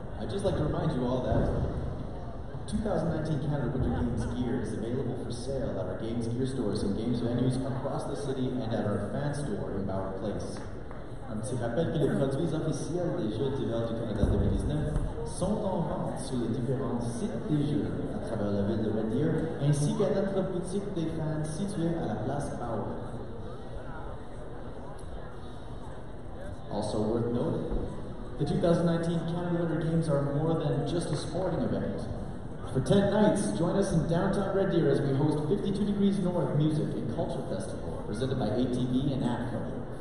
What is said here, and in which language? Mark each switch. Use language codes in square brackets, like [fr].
[en] just like to remind you all that 2019 Canada Winter Games gear is available for sale at our games gear stores and games venues across the city and at our fan store in Bauer Place. [fr] Un petit rappel que les produits officiels des Jeux d'hiver du Canada 2019 sont en vente sur les différents sites des Jeux à travers la ville de Red Deer ainsi qu'à notre boutique des fans située à la place Bauer. [en] Also worth noting, the 2019 Canada Winter Games are more than just a sporting event. For 10 nights, join us in downtown Red Deer as we host 52 Degrees North Music and Culture Festival, presented by ATV and ATCO.